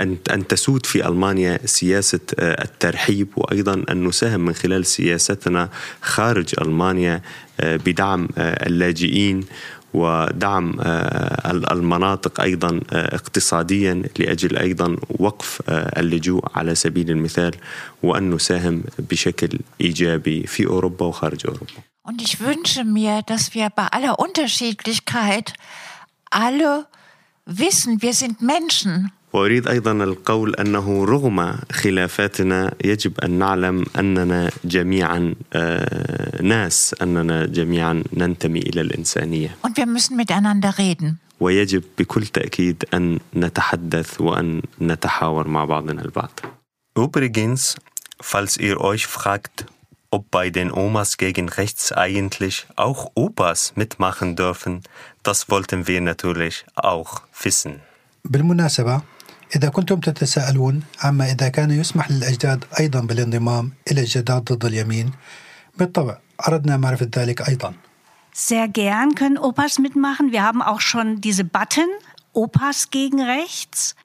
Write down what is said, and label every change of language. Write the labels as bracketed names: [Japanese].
[Arabic] أن تسود في ألمانيا سياسة الترحيب وأيضا أن نساهم من خلال سياستنا خارج ألمانيا بدعم اللاجئين ودعم المناطق أيضا اقتصاديا لأجل أيضا وقف اللجوء على سبيل المثال وأن نساهم بشكل إيجابي في أوروبا وخارج أوروبا. [German] Und ich wünsche mir, dass wir bei aller Unterschiedlichkeit alle wissen, wir sind Menschen. [Arabic] وأريد أيضا القول أنه رغم خلافاتنا يجب أن نعلم أننا جميعا ناس أننا جميعا ننتمي إلى الإنسانية [German] Und wir müssen miteinander reden. [Arabic] ويجب بكل تأكيد أن نتحدث وأن نتحاور مع بعضنا البعض [German] Übrigens, falls ihr euch fragt, ob bei den Omas gegen rechts eigentlich auch Opas mitmachen dürfen, das wollten wir natürlich auch wissen. [Arabic] بالمناسبة إذا كنتم تتساءلون عما إذا كان يسمح للأجداد أيضا بالانضمام إلى الجداد ضد اليمين بالطبع أردنا معرفة ذلك أيضا [German] Sehr gern können Opas mitmachen. Wir haben auch schon diese Button Opas gegen rechts.